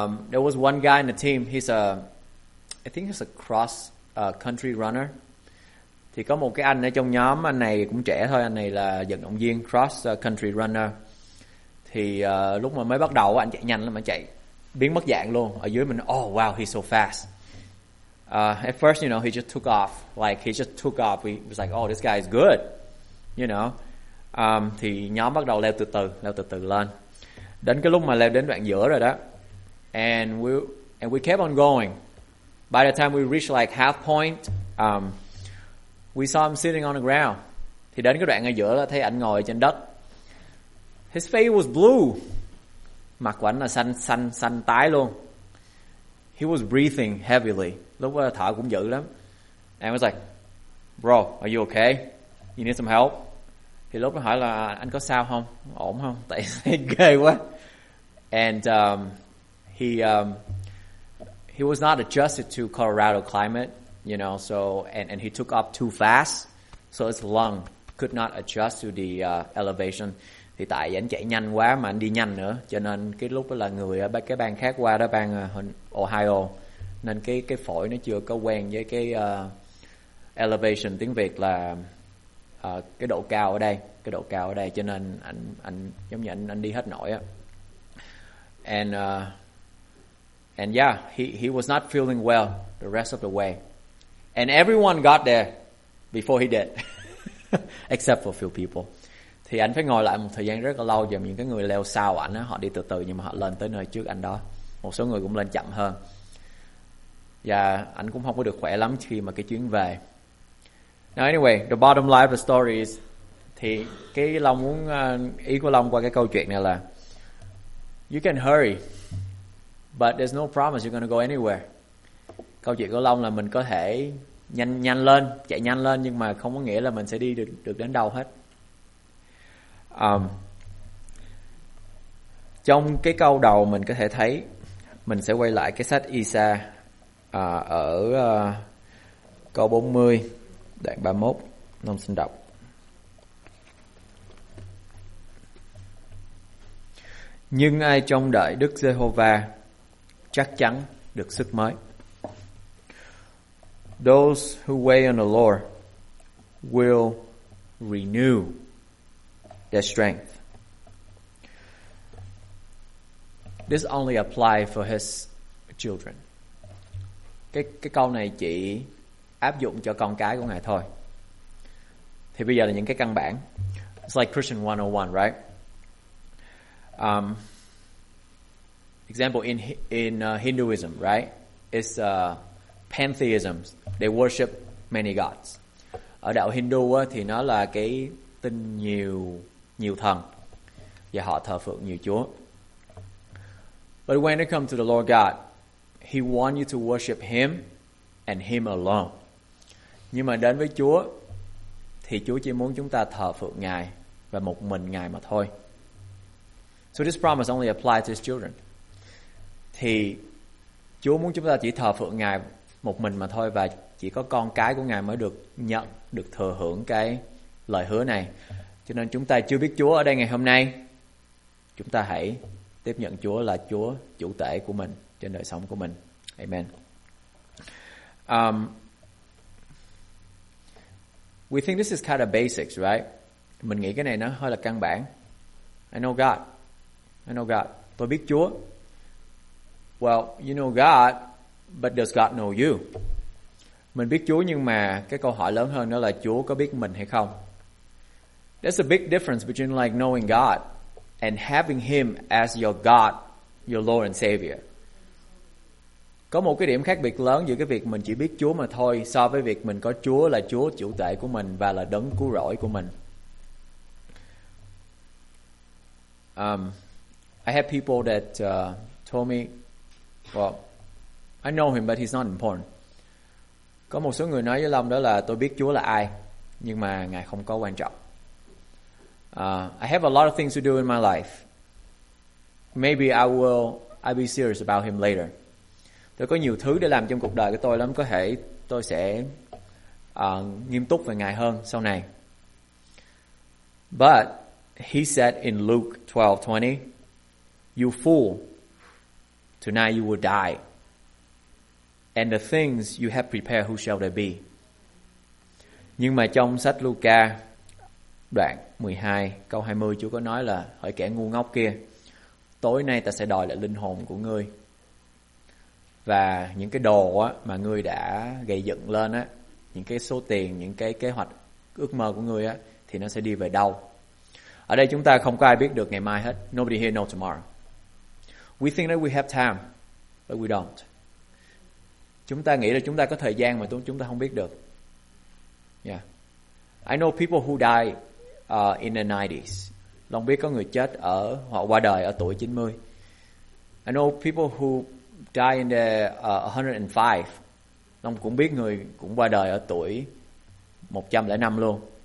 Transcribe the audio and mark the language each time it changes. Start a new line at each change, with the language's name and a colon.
English: There was one guy in the team. I think he's a cross country runner.
Vietnamese: Thì có một cái anh ở trong nhóm, anh này cũng trẻ thôi, anh này là vận động viên
English: cross country runner.
Vietnamese: Thì lúc mà mới bắt đầu anh chạy nhanh lắm, anh chạy biến mất dạng luôn. Ở dưới mình,
English: "Oh wow, he's so fast." At first, you know, he just took off. Like, he just took off. He was like, "Oh, this guy is good." You know.
Vietnamese: Thì nhóm bắt đầu leo từ từ lên. Đến cái lúc mà leo đến đoạn giữa rồi đó.
English: And we kept on going. By the time we reached like half point, we saw him sitting on the ground.
Vietnamese: Thì đến cái đoạn ở giữa là thấy anh ngồi trên đất.
English: His face was blue.
Vietnamese: Mặt của anh là xanh tái luôn.
English: He was breathing heavily.
Vietnamese: Lúc đó thở cũng dữ lắm.
English: And I was like, "Bro, are you okay? You need some help?"
Vietnamese: Thì lúc đó hỏi là anh có sao không? Ổn không? Tại ghê quá.
English: And he was not adjusted to Colorado climate. You know, so and he took off too fast, so his lung could not adjust to the elevation.
Vietnamese: Thì tại anh chạy nhanh quá mà anh đi nhanh nữa, cho nên cái lúc đó là người ở cái bang khác qua đó, bang Ohio, nên cái phổi nó chưa có quen với cái elevation, tiếng Việt là cái độ cao ở đây, cái độ cao ở đây, cho nên anh giống như anh đi hết nổi á.
English: And yeah, he was not feeling well the rest of the way. And everyone got there before he did, except for a few people.
Vietnamese: Thì anh phải ngồi lại một thời gian rất là lâu, và những cái người leo sau anh á, họ đi từ từ nhưng mà họ lên tới nơi trước anh đó. Một số người cũng lên chậm hơn. Và anh cũng không có được khỏe lắm khi mà cái chuyến về.
English: Now anyway, the bottom line of the story is,
Vietnamese: thì cái Long muốn, ý của Long qua cái câu chuyện này là,
English: you can hurry, but there's no promise you're going to go anywhere.
Vietnamese: Câu chuyện của Long là mình có thể nhanh lên, chạy nhanh lên, nhưng mà không có nghĩa là mình sẽ đi được đến đâu hết. Trong cái câu đầu mình có thể thấy, mình sẽ quay lại cái sách Isa ở câu 40, đoạn 31, Long xin đọc. Nhưng ai trông đợi Đức Giê-hô-va chắc chắn được sức mới.
English: Those who wait on the Lord will renew their strength. This only apply for his children.
Vietnamese: Cái câu này chỉ áp dụng cho con cái của Ngài thôi. Thì bây giờ là những cái căn bản.
English: It's like Christian 101, right? Example in Hinduism, right? It's pantheism. They worship many gods.
Vietnamese: Ở đạo Hindu á, thì nó là cái tin nhiều thần và họ thờ phượng nhiều chúa.
English: But when it comes to the Lord God, He wants you to worship Him and Him alone.
Vietnamese: Nhưng mà đến với Chúa thì Chúa chỉ muốn chúng ta thờ phượng Ngài và một mình Ngài mà thôi.
English: So this promise only applies to His children.
Vietnamese: Thì Chúa muốn chúng ta chỉ thờ phượng Ngài một mình mà thôi, và chỉ có con cái của Ngài mới được nhận, được thừa hưởng cái lời hứa này. Cho nên chúng ta chưa biết Chúa ở đây ngày hôm nay, chúng ta hãy tiếp nhận Chúa là Chúa chủ tể của mình trên đời sống của mình.
English: Amen. We think this is kind of basics, right?
Vietnamese: Mình nghĩ cái này nó hơi là căn bản.
English: I know God.
Vietnamese: Tôi biết Chúa.
English: Well, you know God, but does God know you?
Vietnamese: Mình biết Chúa, nhưng mà cái câu hỏi lớn hơn đó là Chúa có biết mình hay không?
English: There's a big difference between like knowing God and having Him as your God, your Lord and Savior.
Vietnamese: Có một cái điểm khác biệt lớn giữa cái việc mình chỉ biết Chúa mà thôi so với việc mình có Chúa là Chúa chủ tể của mình và là đấng cứu rỗi của mình.
English: I have people that told me, well, I know Him, but He's not important.
Vietnamese: Có một số người nói với Long đó là tôi biết Chúa là ai, nhưng mà Ngài không có quan trọng.
English: I have a lot of things to do in my life. Maybe I'll be serious about Him later.
Vietnamese: Tôi có nhiều thứ để làm trong cuộc đời của tôi lắm, có thể tôi sẽ nghiêm túc về Ngài hơn sau này.
English: But He said in Luke 12:20, "You fool, tonight you will die. And the things you have prepared, who shall they be?"
Vietnamese: Nhưng mà trong sách Luca đoạn 12 câu 20, Chúa có nói là hỡi kẻ ngu ngốc kia, tối nay ta sẽ đòi lại linh hồn của ngươi. Và những cái đồ á, mà ngươi đã gây dựng lên á, những cái số tiền, những cái kế hoạch, ước mơ của ngươi á, thì nó sẽ đi về đâu? Ở đây chúng ta không có ai biết được ngày mai hết.
English: Nobody here knows tomorrow. We think that we have time, but we don't.
Vietnamese: Chúng ta nghĩ là chúng ta có thời gian mà chúng ta không biết được.
English: Yeah. I know people who die in the 90s.
Vietnamese: Long biết có người chết ở, hoặc qua đời ở tuổi 90.
English: I know people who die in the 105.
Vietnamese: Long cũng biết người cũng qua đời ở tuổi 105 luôn.